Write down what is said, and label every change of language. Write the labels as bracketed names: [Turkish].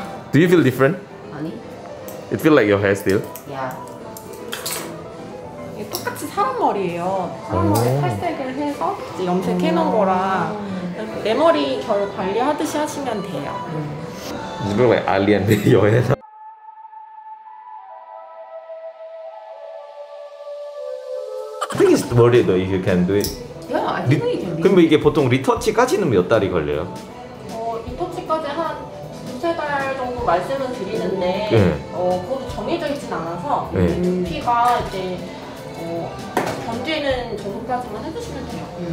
[English] Do you feel different? Honey? It feels like your hair still? Yeah. It's [Korean] 똑같이 사람 머리예요. 사람 머리 탈색을 해서 이제 염색해 놓은 거라 내 머리 결 관리하듯이 하시면 돼요. [English] You look like Ali and your hair. I think it's worth it though if you can do it. Yeah, I think it can be. [Korean] 근데 이게 보통 리터치까지는 몇 달이 걸려요? 리터치까지 한 두세 달 정도 말씀은 드리는데 그것도 정해져 있진 않아서 두피가 이제 견디는 정도까지만 해주시면 돼요.